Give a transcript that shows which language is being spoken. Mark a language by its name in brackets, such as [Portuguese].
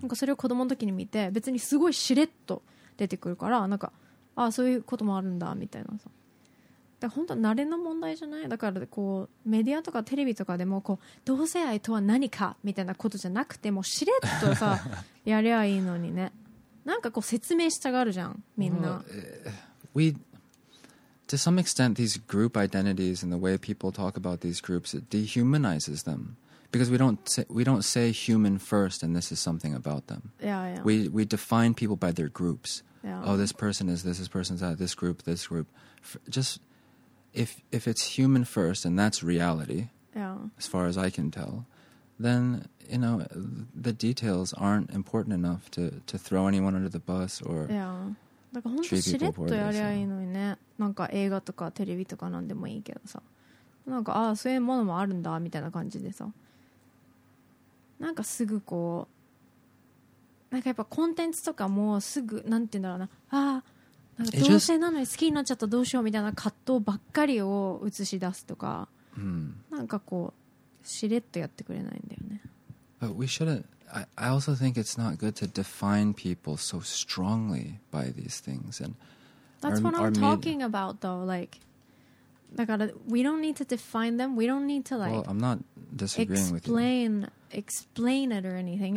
[Japanese] なんかそれを子供の時に見て別にすごいしれっと出てくるからなんかああそういうこともあるんだみたいなさで本当慣れの問題じゃないだからこうメディアとかテレビとかでもこう同性愛とは何かみたいなことじゃなくてもうしれっとさやりゃいいのにねなんかこう説明したがるじゃん、みんな。 [English] To some extent, these group identities and the way people talk about these groups, it dehumanizes them. Because we don't say human first and this is something about them. Yeah, yeah. We define people by their groups. Yeah. Oh, this person is this, this person is that, this group, this group. Just if it's human first and that's reality, yeah. as far as I can tell, then, you know, the details aren't important enough to throw anyone under the bus or... Yeah. [Japanese] だから本当しれっとやりゃいいのにね、なんか映画とかテレビとかなんでもいいけどさ、なんかああそういうものもあるんだみたいな感じでさ、なんかすぐこうなんかやっぱコンテンツとかもすぐなんて言うんだろうな、ああなんか同性なのに好きになっちゃったどうしようみたいな葛藤ばっかりを映し出すとか、なんかこうしれっとやってくれないんだよね。 [English] But we shouldn'tI also think it's not good to define people so strongly by these things. And that's what I'm talking about, though. Like, we don't need to define them. We don't need to, like... Well, I'm not disagreeing with you. Explain it or anything.